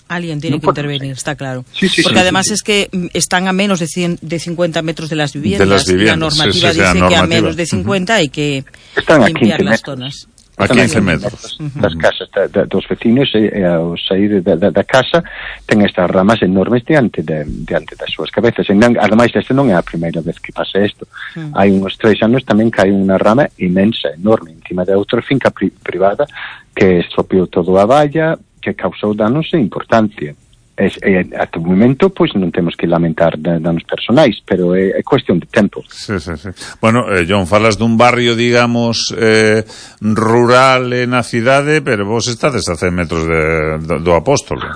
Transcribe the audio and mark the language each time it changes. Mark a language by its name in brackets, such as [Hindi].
[Spanish] Alguén tiene que intervenir, está claro. Porque además es que están a menos de 50 metros de las viviendas. Y la normativa dice que a menos de 50 hay que limpiar las zonas. A 15 metros. [Galician] Las casas dos vecinos, ao sair da casa, ten estas ramas enormes diante das súas cabezas. Ademais, esta non é a primeira vez que pasa isto. Hai uns 3 anos tamén cae unha rama imensa, enorme, encima de outra finca privada, que estropeou todo a valla, que causou danos de importancia. A todo momento, pois, non temos que lamentar danos personais, pero é cuestión de tempo. Sí. Bueno, John, falas dun barrio, digamos, rural na cidade, pero vos estades a 100 metros do Apóstolo.